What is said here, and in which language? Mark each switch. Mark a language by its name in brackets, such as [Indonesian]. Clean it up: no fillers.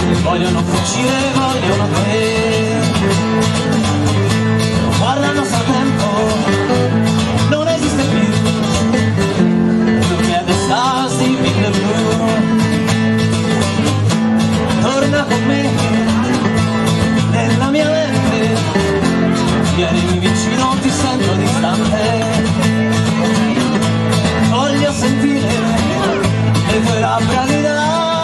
[Italian] vogliono fuggire, vogliono te. Guarda il nostro tempo, non esiste più. [English] Look at the stars deep in the blue. [Italian] Torna con me, nella mia mente. Vieni vicino, ti sento distante. Voglio sentire le tue labbra gridare.